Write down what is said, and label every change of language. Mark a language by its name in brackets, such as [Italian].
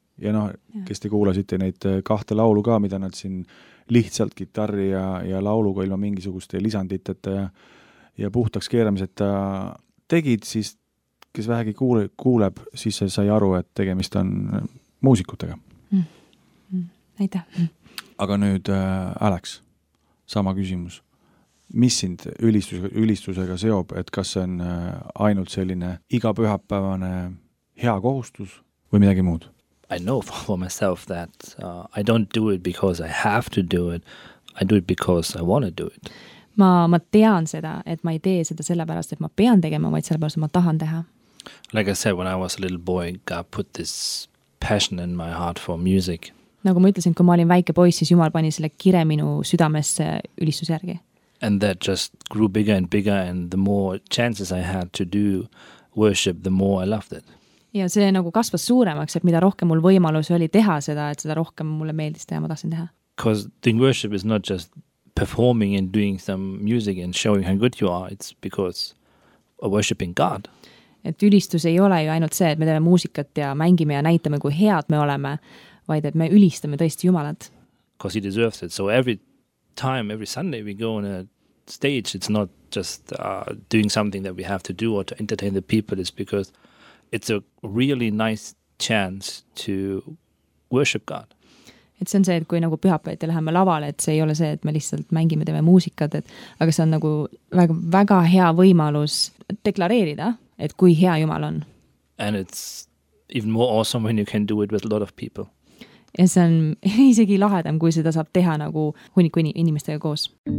[Estonian] ja noh, kes te kuulasite neid kahte laulu ka, mida nad siin lihtsalt gitarri ja lauluga ilma mingisuguste lisanditeta ja puhtaks keeramiseta tegid, siis kes vähegi kuuleb, siis see sai aru, et tegemist on muusikutega. Aitäh. Aga nüüd Alex, sama küsimus. Mis sind ülistusega seob, et kas see on ainult selline igapühapäevane hea kohustus või midagi muud? [English] I know for myself that I don't do it because I have to do it. I do it because I want to do it. [Estonian] Ma tean seda, et ma ei tee seda sellepärast, et ma pean tegema, vaid sellepärast, et ma tahan teha. [English] Like I said, when I was a little boy, God put this passion in my heart for music. [Estonian] Nagu ma ütlesin, kui ma olin väike poiss, siis Jumal pani selle kire minu südamesse ülistus järgi. [English] And that just grew bigger and bigger and the more chances I had to do worship, the more I loved it. [Estonian] Ja see nagu kasvas suuremaks, et mida rohkem mul võimalus oli teha seda, et seda rohkem mulle meeldis teha, ma tahsin teha. [English] Because doing worship is not just performing and doing some music and showing how good you are, it's because of worshiping God. [Estonian] Et ülistus ei ole ju ainult see, et me teeme muusikat ja mängime ja näitame, kui head me oleme, vaid et me ülistame tõesti Jumalat. [English] Because he deserves it. So every time, every Sunday we go on a stage, it's not just doing something that we have to do or to entertain the people, it's because it's a really nice chance to worship God. [Estonian] Et see on see, et kui nagu pühapäeval läheme lavale, et see ei ole see, et me lihtsalt mängime, teeme muusikat, et, aga see on nagu väga, väga hea võimalus deklareerida, et kui hea Jumal on. [English] And it's even more awesome when you can do it with a lot of people. [Estonian] Ja see on isegi lahedam, kui seda saab teha nagu hunniku inimestega koos.